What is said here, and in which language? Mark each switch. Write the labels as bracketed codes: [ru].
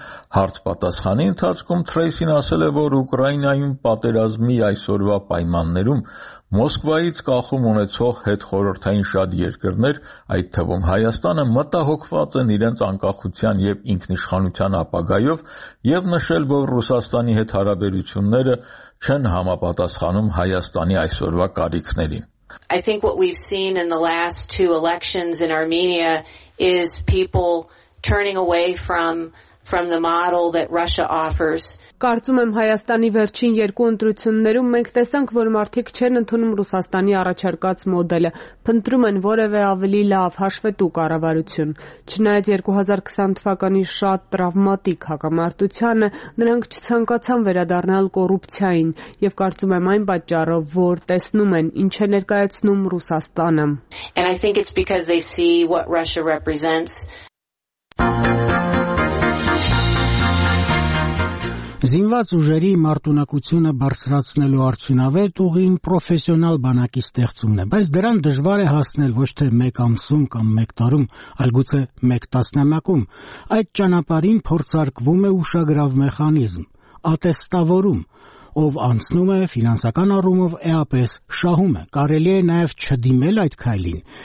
[hy] Հարց պատասխանի ընթացքում Թրեյսին ասել է, որ Ուկրաինայում պատերազմի այսօրվա պայմաններում Մոսկվայից կախում ունեցող հետխորհրդային շատ երկրներ, այդ թվում Հայաստանը, մտահոգված են իրենց անկախության և ինքնիշխանության ապագայով, և նշել, որ Ռուսաստանի հետ հարաբերությունները չեն համապատասխանում Հայաստանի այսօրվա կարիքներին։ [en] I think what we've seen in the last two elections in Armenia is people turning away from the model that Russia offers. [hy] Կարծում եմ Հայաստանի վերջին երկու ընտրություններում մենք տեսանք, որ մարդիկ չեն ընդունում Ռուսաստանի առաջարկած մոդելը, փնտրում են որևէ ավելի լավ հաշվետու կառավարություն։ Չնայած 2020 թվականի շատ տրավմատիկ հակամարտությանը, նրանք չցանկացան վերադառնալ կոռուպցիային, եւ կարծում եմ այն պատճառով, որ տեսնում են, ինչ է ներկայացնում Ռուսաստանը։ [en] And I think it's because they see what Russia represents. [hy] Զինված ուժերի մարտունակությունը բարձրացնելու արդյունավետ ուղին պրոֆեսիոնալ բանակի ստեղծումն է, բայց դրան դժվար է հասնել ոչ թե մեկ ամսում կամ մեկ տարում, այլ գուցե մեկ տասնամյակում։ Այդ ճանապարհին փորձարկվում է ուշագրավ մեխանիզմ՝ ատեստավորում, ով անցնում է ֆինանսական առումով էապես շահում է, կարելի է նաև չդիմել այդ քայլին,